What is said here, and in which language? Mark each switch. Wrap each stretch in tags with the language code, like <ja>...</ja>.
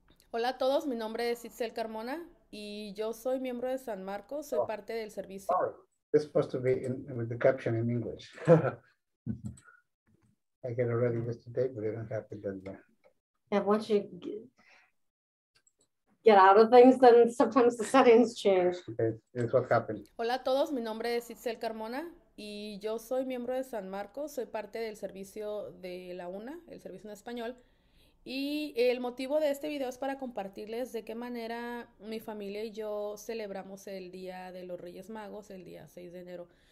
<es>Hola a todos, mi nombre es Itzel Carmona y yo soy miembro de San Marcos, soy parte del servicio.</es> <en>It's supposed to be with the caption in English. I get already yesterday, but it didn't happen then. Yeah, once you get out of things, then sometimes the settings change. Okay, this is what happened.</en> <es>Hola a todos, mi nombre es Itzel Carmona y yo soy miembro de San Marcos, soy parte del servicio de la UNA, el servicio en español, y el motivo de este video es para compartirles de qué manera mi familia y yo celebramos el Día de los Reyes Magos, el día 6 de enero.</es>